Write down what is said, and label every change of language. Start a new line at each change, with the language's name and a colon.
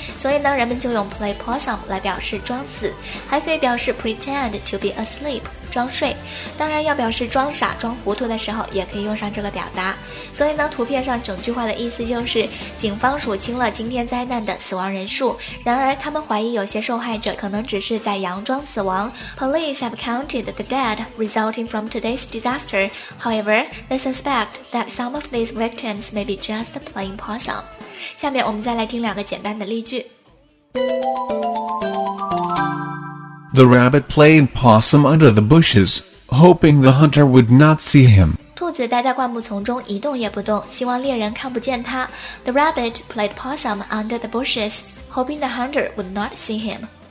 Chinese: 所以呢，人们就用 play possum 来表示装死，还可以表示
English: pretend to be asleep，
Chinese: 装睡。当然，要表示装傻、装糊涂的时候，也可以用上这个表达。所以呢，图片上整句话的意思就是，警方数清了今天灾难的死亡人数，然而他们怀疑有些受害者可能只是在佯装死亡。
English: Police have counted the dead resulting from today's disaster. However, they suspect that some of these victims may be just playing possum.
Chinese: 下面我们再来听两个简单的例句。
English: The rabbit played possum under the bushes, hoping the hunter would not see him.
Chinese: 兔子待在灌木丛中一动也不动，希望猎人看不见它。
English: The rabbit played possum under the bushes, hoping the hunter would not see him.